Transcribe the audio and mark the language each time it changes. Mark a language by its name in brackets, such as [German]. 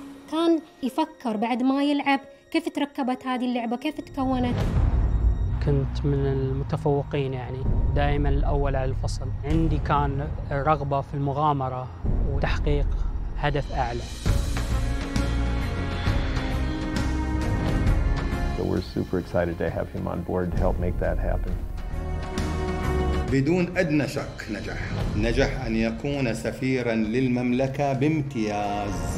[Arabic] كان يفكر بعد ما يلعب كيف تركبت هذه اللعبة، كيف تكونت. كنت من المتفوقين، يعني دائما الأول على الفصل. عندي كان رغبة في المغامرة وتحقيق هدف أعلى. [English] We're super excited to have him on board to help make that happen. [Arabic] بدون أدنى شك نجح. نجح أن يكون سفيراً للمملكة بامتياز.